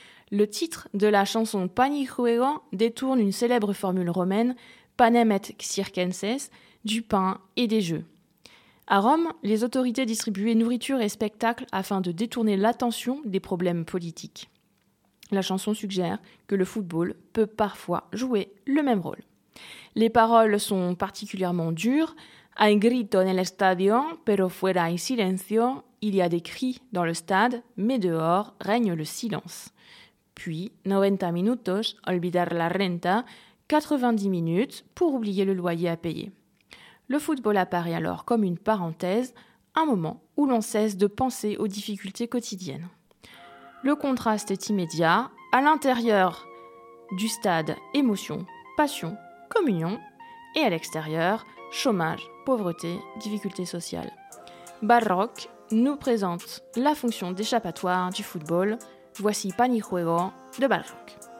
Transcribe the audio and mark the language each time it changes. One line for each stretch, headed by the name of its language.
French: Le titre de la chanson Pan y juego détourne une célèbre formule romaine, panem et circenses, du pain et des jeux. À Rome, les autorités distribuaient nourriture et spectacle afin de détourner l'attention des problèmes politiques. La chanson suggère que le football peut parfois jouer le même rôle. Les paroles sont particulièrement dures.
Spanish: Hay grito en el estadio, pero fuera hay silencio.
French: Il y a des cris dans le stade, mais dehors règne le silence. Puis,
Spanish: 90 minutos, olvidar la renta,
French: 90 minutes pour oublier le loyer à payer. Le football apparaît alors comme une parenthèse, un moment où l'on cesse de penser aux difficultés quotidiennes. Le contraste est immédiat. À l'intérieur du stade, émotion, passion, communion, et à l'extérieur, chômage, pauvreté, difficultés sociales. Barrock nous présente la fonction d'échappatoire du football. Voici Pan y juego de Barrock.